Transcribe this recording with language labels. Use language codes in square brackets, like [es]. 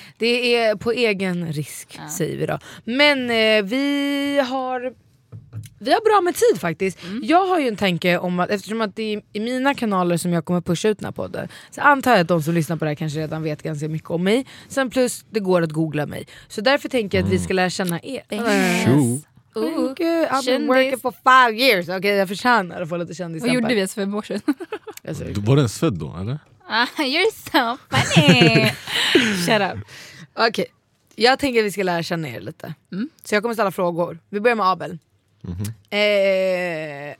[sv] Det är på egen risk, ja, säger vi då. Men vi har bra med tid faktiskt. Mm. Jag har ju en tanke om att, eftersom att det är i mina kanaler som jag kommer pusha ut den här podden, så antar jag att de som lyssnar på det här kanske redan vet ganska mycket om mig. Sen plus, det går att googla mig. Så därför tänker jag att vi ska lära känna er. [en] Yes. I've been working for 5 years. [sv] Okej, okay, jag förtjänar att få lite kändis. Vad gjorde vi ens för 5 år sedan? Alltså, du var ens född då, eller? [en] You're so funny. Shut up. Okej, okay. [sv] Jag tänker att vi ska lära känna er lite. Mm. Så jag kommer ställa frågor. Vi börjar med Abel. Mm-hmm.